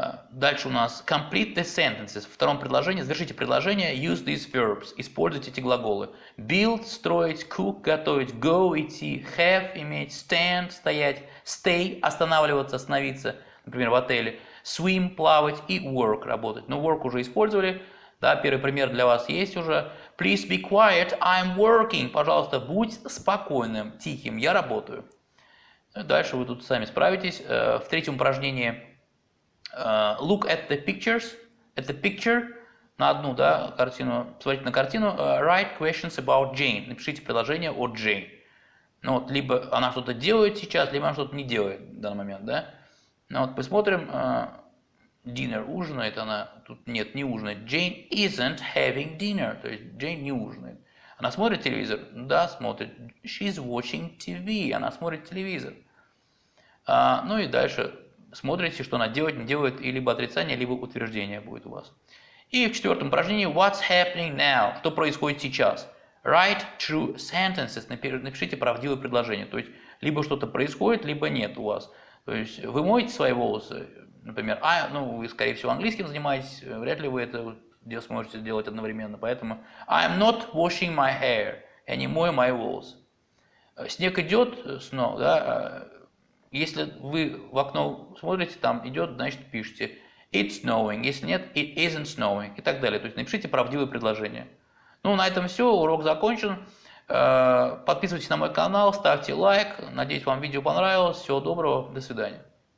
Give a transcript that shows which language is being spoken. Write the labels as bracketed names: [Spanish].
[Russian] Дальше у нас [English] complete the sentences. [Russian] В втором предложении, завершите предложение, [English] use these verbs, [Russian] используйте эти глаголы. Build, строить, cook, готовить, go, идти, have, иметь, stand, стоять, stay, останавливаться, остановиться, например, в отеле, swim, плавать и work, работать. Ну, work уже использовали, да, первый пример для вас есть уже. [English] Please be quiet, I'm working. [Russian] Пожалуйста, будь спокойным, тихим, я работаю. Дальше вы тут сами справитесь. В третьем упражнении [English] look at the pictures, at the picture, [Russian] на одну, да, картину, посмотрите на картину, [English] write questions about Jane, [Russian] напишите предложение о Jane. Ну вот, либо она что-то делает сейчас, либо она что-то не делает в данный момент, да. Ну вот, посмотрим, dinner, ужинает она, тут нет, не ужинает, [English] Jane isn't having dinner, [Russian] то есть Jane не ужинает. Она смотрит телевизор? Да, смотрит. [English] She's watching TV, [Russian] она смотрит телевизор. Ну и дальше смотрите, что она делает, не делает, и либо отрицание, либо утверждение будет у вас. И в четвертом упражнении [English] what's happening now? [Russian] Что происходит сейчас? [English] Write true sentences. [Russian] Напишите правдивое предложение. То есть, либо что-то происходит, либо нет у вас. То есть, вы моете свои волосы, например, ну, вы, скорее всего, английским занимаетесь, вряд ли вы это где сможете сделать одновременно. [English] Поэтому I'm not washing my hair. [Russian] Я не мою мои волосы. Снег идет, снова, да? Если вы в окно смотрите, там идет, значит, пишите [English] «It's snowing», [Russian] если нет, [English] «It isn't snowing» [Russian] и так далее. То есть напишите правдивые предложения. Ну, на этом все, урок закончен. Подписывайтесь на мой канал, ставьте лайк. Надеюсь, вам видео понравилось. Всего доброго, до свидания.